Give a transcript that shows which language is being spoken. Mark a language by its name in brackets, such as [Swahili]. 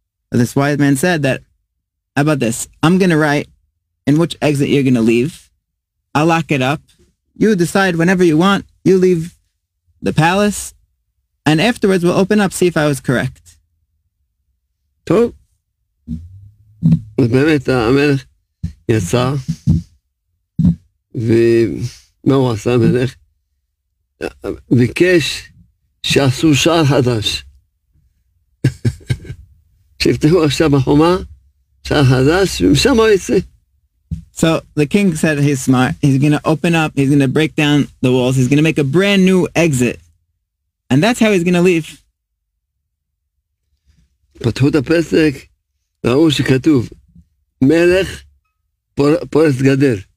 [English] But this wise man said that, how about this? I'm going to write in which exit you're going to leave. I'll lock it up. You decide whenever you want. You leave the palace. And afterwards, we'll open up, see if I was correct. Cool. [Hebrew] באמת המלך יצא ומה הוא עשה המלך ביקש שעשו שער חדש שיפתחו עכשיו בחומה שער חדש ומשם הוא יצא [English] So the king said he's smart he's gonna open up he's gonna break down the walls he's gonna make a brand new exit and that's how he's gonna leave [Hebrew] פתחו את הפסק ראו שכתוב מלך פורס גדר.